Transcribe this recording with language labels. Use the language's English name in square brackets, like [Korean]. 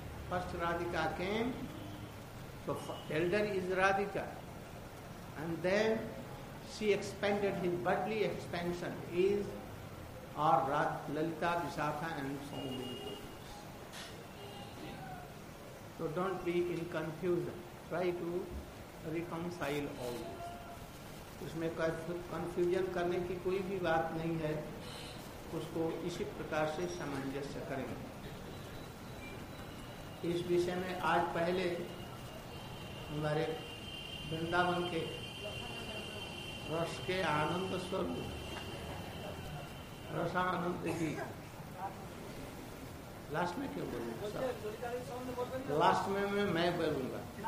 [English] First Radhika came, so elder is Radhika and then she expanded his bodily expansion is और Lalita Vishakha and Saumil. So don't be in confusion. Try to reconcile all this. [Hindi] उसमें confusion करने की कोई भी बात नहीं है, उसको इसी प्रकार से सामंजस्य करेंगे. इस विषय में आज पहले हमारे वृंदावन के रस के आनंद स्वरूप रसानंद की लास्ट में क्यों बोलूंगा, लास्ट में मैं बोलूंगा.